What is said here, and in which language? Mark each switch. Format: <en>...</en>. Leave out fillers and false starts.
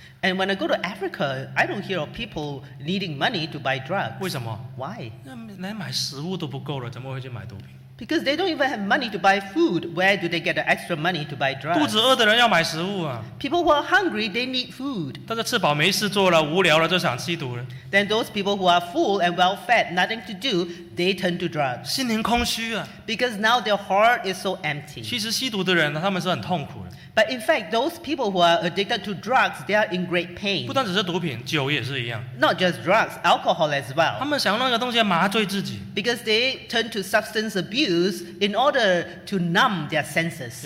<en>And when I go to Africa, I don't hear of people needing money to buy drugs.</en> <zh>为什么？</zh> <en>Why?</en> <zh>连买食物都不够了，怎么会去买毒品？</zh> <en>Because they don't even have money to buy food. Where do they get the extra money to buy drugs?</en> <zh>肚子饿的人要买食物啊。</zh> <en>People who are hungry, they need food.</en> <zh>但是吃饱没事做了，无聊了就想吸毒了。</zh> <en>Then those people who are full and well-fed, nothing to do, they turn to drugs.</en> <zh>心灵空虚啊。</zh> <en>Because now their heart is so empty.</en> <zh>其实吸毒的人，他们是很痛苦的。</zh> <en>But in fact, those people who are addicted to drugs, they are in great pain.</en> <zh>不单只是毒品，酒也是一样。</zh> <en>Not just drugs, alcohol as well.</en> <zh>他们想用那个东西麻醉自己。</zh> <en>Because they turn to substance abuse in order to numb their senses.</en>